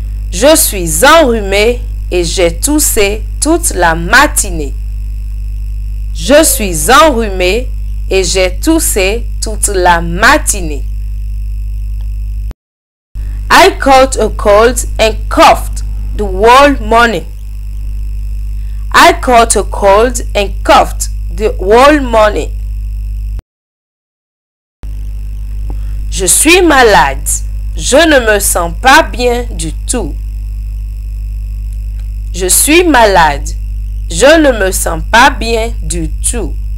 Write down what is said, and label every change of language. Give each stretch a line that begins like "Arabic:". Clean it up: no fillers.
French: Je suis enrhumé et j'ai toussé toute la matinée. Je suis enrhumé et j'ai toussé toute la matinée.
English: I caught a cold and coughed the whole morning. I caught a cold and coughed the whole morning.
French: Je suis malade. Je ne me sens pas bien du tout. Je suis malade. Je ne me sens pas bien du tout.